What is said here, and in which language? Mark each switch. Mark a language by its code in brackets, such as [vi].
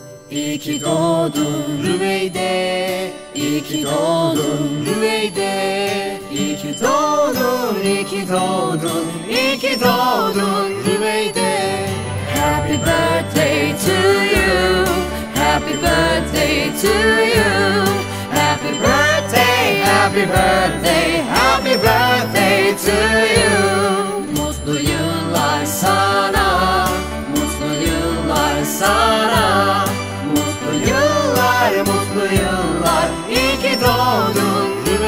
[tr] İyi ki doğdun Rüveyde, İyi ki doğdun Rüveyde, İyi ki doğdun, İyi ki doğdun, İyi ki doğdun Rüveyde. [en] Happy birthday to you, happy birthday to you, happy birthday, happy birthday, happy birthday to you. [tr] Mutlu yıllar sana, mutlu yıllar sana, mutlu yıllar, mutlu yıllar, iyi ki doğdun.